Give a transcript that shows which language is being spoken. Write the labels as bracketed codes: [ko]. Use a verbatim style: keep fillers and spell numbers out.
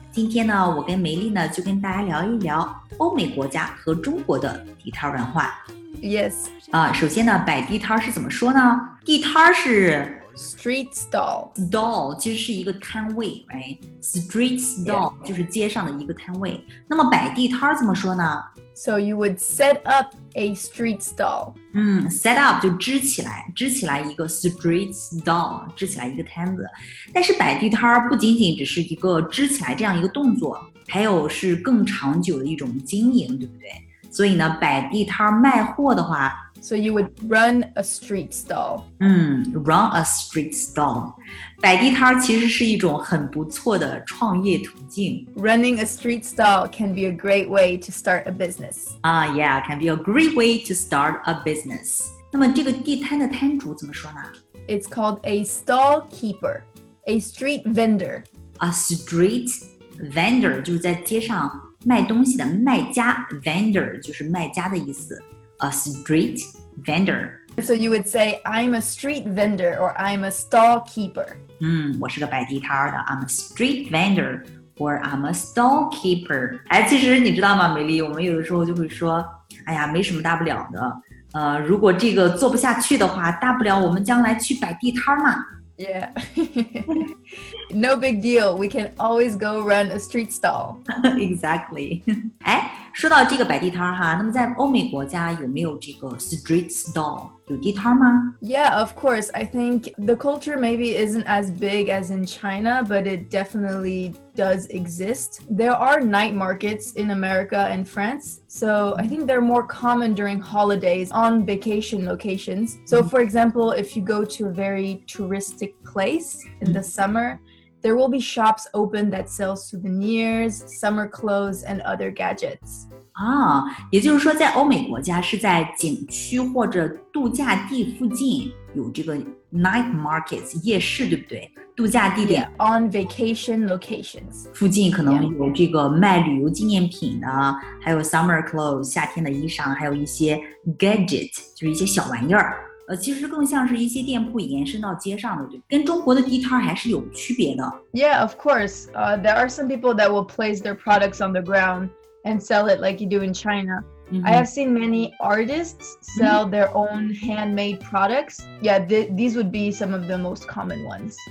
[zh] 今天呢，我跟梅丽呢就跟大家聊一聊欧美国家和中国的地摊文化。 [en] Yes. [zh] 啊，首先呢，摆地摊是怎么说呢？地摊是。 [en] Street stall [zh] Stall 其实是一个摊位 right? [en] Street stall、yeah. [zh] 就是街上的一个摊位那么摆地摊怎么说呢 [en] So you would set up a street stall [zh] 嗯 [en] Set up [zh] 就支起来支起来一个 street stall 支起来一个摊子但是摆地摊不仅仅只是一个支起来这样一个动作还有是更长久的一种经营对不对所以呢摆地摊卖货的话 [en] So you would run a street stall. 嗯 run a street stall. [zh] 摆地摊其实是一种很不错的创业途径。 [en] Running a street stall can be a great way to start a business. Ah, uh, yeah, can be a great way to start a business. [zh] 那么这个地摊的摊主怎么说呢？ [en] It's called a stall keeper, a street vendor. A street vendor [zh] 就是在街上卖东西的卖家 vendor 就是卖家的意思。 [en] A street vendor. So you would say, I'm a street vendor or I'm a stall keeper. [zh] 嗯，我是个摆地摊的 [en] I'm a street vendor or I'm a stall keeper. [zh] 哎，其实你知道吗，美丽，我们有的时候就会说，哎呀，没什么大不了的。呃，如果这个做不下去的话，大不了我们将来去摆地摊嘛。 [en] Yeah. No big deal. We can always go run a street stall. Exactly. [zh] 哎，说到这个摆地摊哈，那么在欧美国家有没有这个 street stall 有地摊吗 [en] Yeah, of course. I think the culture maybe isn't as big as in China, but it definitely does exist. There are night markets in America and France, so I think they're more common during holidays on vacation locations. So for example, if you go to a very touristic place in the summer,There will be shops open that sell souvenirs, summer clothes, and other gadgets. [zh] 啊，也就是说，在欧美国家是在景区或者度假地附近有这个 night markets 夜市，对不对？度假地点 [en] yeah, on vacation locations [zh] 附近可能有这个卖旅游纪念品的，还有 summer clothes 夏天的衣裳，还有一些 gadget 就是一些小玩意儿。呃，其实更像是一些店铺延伸到街上的，对，跟中国的地摊还是有区别的。 [en] Yeah, of course. Uh, there are some people that will place their products on the ground and sell it like you do in China. Mm-hmm. I have seen many artists sell mm-hmm. their own handmade products. Yeah, th- these would be some of the most common ones.